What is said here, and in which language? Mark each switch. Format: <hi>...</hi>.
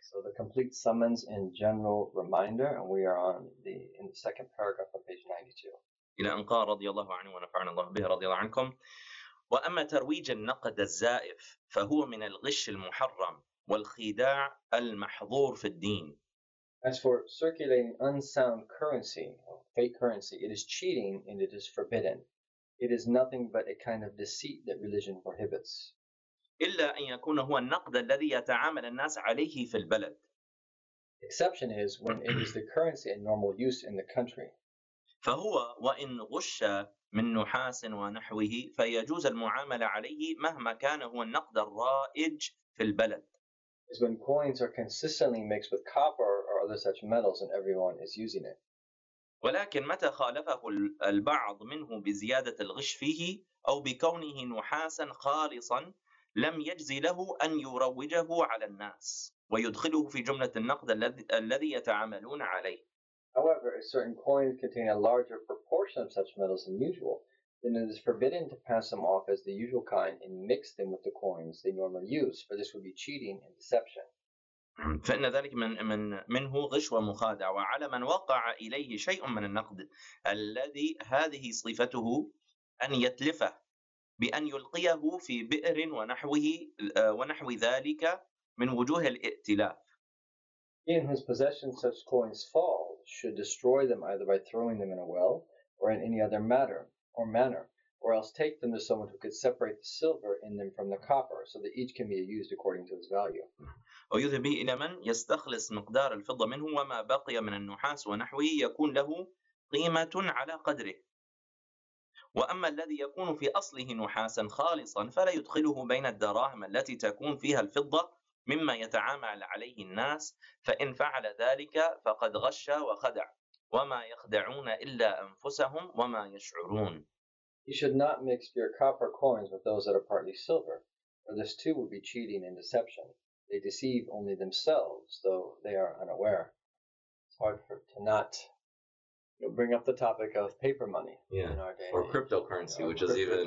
<en>So the complete summons and general reminder, and we are on the in the second paragraph of page 92.</en> <ar>إلى أن قال رضي الله عنه ونفعنا الله به رضي الله عنكم وأما ترويج النقد الزائف فهو من الغش المحرم والخداع المحظور في الدين.</ar> <en>As for circulating unsound currency, fake currency, it is cheating and it is forbidden. It is nothing but a kind of deceit that religion prohibits.</en> <ar>إلا أن يكون هو النقد الذي يتعامل الناس عليه في البلد.</ar> <en>Exception is when it is the currency in normal use in the country.</en> <ar>فهو وإن غش من نحاس ونحوه فيجوز المعاملة عليه مهما كان هو النقد الرائج في البلد.</ar> <en>Is when coins are consistently mixed with copper or other such metals and everyone is using it.</en> <ar>ولكن متى خالفه البعض منه بزيادة الغش فيه أو بكونه نحاسا خالصا لم يجزي له أن يروجه على الناس ويدخله في جملة النقد الذي يتعاملون عليه.</ar> <en>However, if certain coins contain a larger proportion of such metals than usual, then it is forbidden to pass them off as the usual kind and mix them with the coins they normally use, for this would be cheating and deception.</en> <ar>فإن ذلك منه غش ومخادع وعلى من وقع إليه شيء من النقد الذي هذه صفته أن يتلفه بأن يلقيه في بئر ونحوه ونحو ذلك من وجوه الائتلاف.</ar> <en>In his possession such coins fall should destroy them either by throwing them in a well or in any other matter or manner or else take them to someone who could separate the silver in them from the copper so that each can be used according to its value.</en> <ar>ويذهب إلى من يستخلص مقدار الفضة منه وما بقي من النحاس ونحوه يكون له قيمة على قدره وأما الذي يكون في أصله نحاسا خالصا فلا يدخله بين الدراهم التي تكون فيها الفضة مما يتعامل عليه الناس فإن فعل ذلك فقد غش وخدع وما يخدعون إلا أنفسهم وما يشعرون.</ar> <en>You should not mix your copper coins with those that are partly silver, for this too would be cheating and deception. They deceive only themselves, though they are unaware. It's hard for to not bring up the topic of paper money in our day. Or cryptocurrency, which is even...</en>